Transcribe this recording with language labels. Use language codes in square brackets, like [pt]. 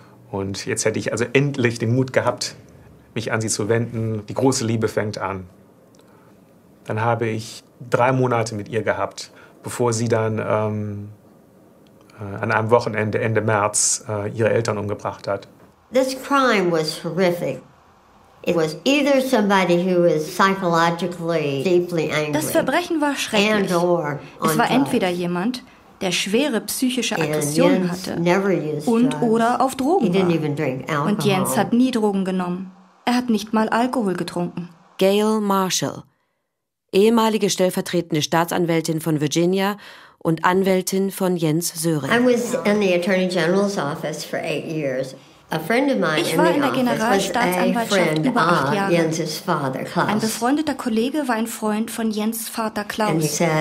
[de] Und jetzt hätte ich also endlich den Mut gehabt, mich an sie zu wenden. Die große Liebe fängt an. Dann habe ich 3 Monate mit ihr gehabt, bevor sie dann an einem Wochenende Ende März ihre Eltern umgebracht hat. [en] This crime was horrific. It was either somebody who was psychologically deeply angry. [de] Das Verbrechen war schrecklich. Es war entweder jemand, der schwere psychische Aggressionen hatte und oder auf Drogen war. Und Jens hat nie Drogen genommen. Er hat nicht mal Alkohol getrunken. Gail Marshall, ehemalige stellvertretende Staatsanwältin von Virginia und Anwältin von Jens Söring. [en] I was in the Attorney General's office for 8 years. [de] Ich war in der Generalstaatsanwaltschaft über 8 Jahre. Ein befreundeter Kollege war ein Freund von Jens' Vater Klaus.